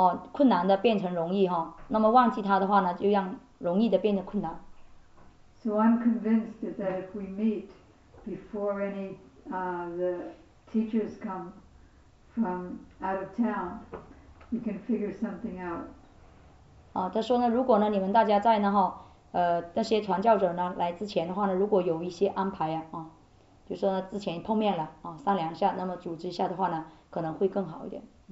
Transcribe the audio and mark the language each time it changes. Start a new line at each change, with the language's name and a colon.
Chinese: 困难的变成容易，那么忘记它的话呢，就让容易的变得困难。
English: So I'm convinced that if we meet before any the teachers come from out of town, we can figure something out.
Chinese: 他说呢，如果呢你们大家在呢哈，那些传教者呢来之前的话呢，如果有一些安排呀，就说呢之前碰面了商量一下，那么组织一下的话呢，可能会更好一点。